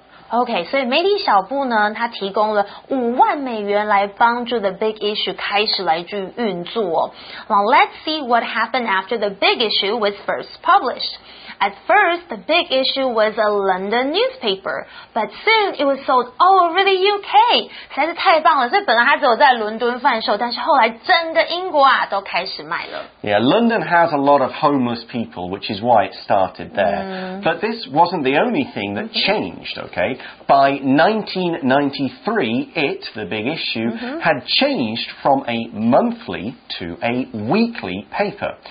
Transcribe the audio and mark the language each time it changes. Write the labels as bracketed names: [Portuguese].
[Chinese] Okay, 所以媒体小布呢，他提供了$50,000来帮助 the big issue 开始来去运作。 [English] Now, let's see what happened after the big issue was first published. At first, the big issue was a London newspaper, but soon it was sold all over the UK. [Chinese] 实在是太棒了，所以本来它只有在伦敦贩售，但是后来整个英国啊都开始卖了。 [English] Yeah, London has a lot of homeless people, which is why it started there. But this wasn't the only thing that changed, okay? By 1993, it, the big issue, had changed from a monthly to a weekly paper.